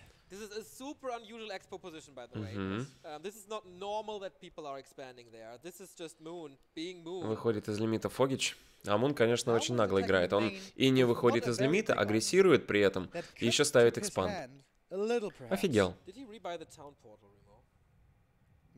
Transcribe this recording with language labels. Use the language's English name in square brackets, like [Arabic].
[English] This is a super unusual expo position, by the way. Mm-hmm. This is not normal that people are expanding there. This is just Moon being Moon. [Russian] Выходит из лимита Фогич. А Мун, конечно, очень нагло играет. Он и не выходит из лимита, агрессирует при этом, и еще ставит экспанд. Офигел. [English] Did he rebuy the town portal, you know?